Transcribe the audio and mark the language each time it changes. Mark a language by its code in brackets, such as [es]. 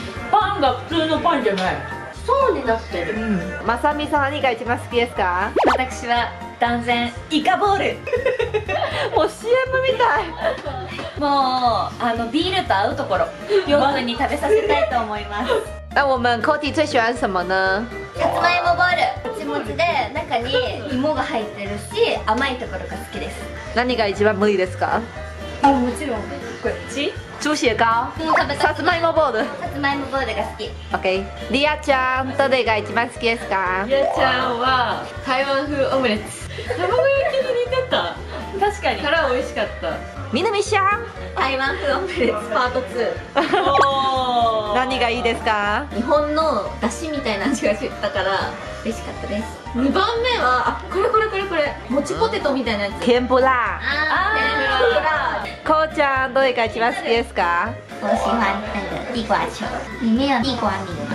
[ja] パンが普通のパンじゃない。そうになってる。まさみさん何が一番好きですか？私は断然イカボール。もう CM みたい。もうビールと合うところ。ヨウ君に食べさせたいと思います。 [zh] 那我们 Cody 最喜欢什么呢？ [ja] さつまいもボール。もちもちで中に芋が入ってるし、甘いところが好きです。何が一番無理ですか？あ、もちろんこっち。猪血糕，さつまいもボール。さつまいもボールが好き。 OK。リアちゃん、どれが一番好きですか？リアちゃんは台湾風オムレツ。卵焼きに似てた。確かに。から美味しかった。みなみちゃん、台湾風オムレツパート2。何がいいですか？日本の出汁みたいな味がしたから美味しかったです。二番目はこれこれこれこれ、もちポテトみたいなやつ。天ぷら。あ、天ぷら。こうちゃん、どれが一番好きですか？ [zh] 我喜欢那个地瓜球，里面有地瓜泥。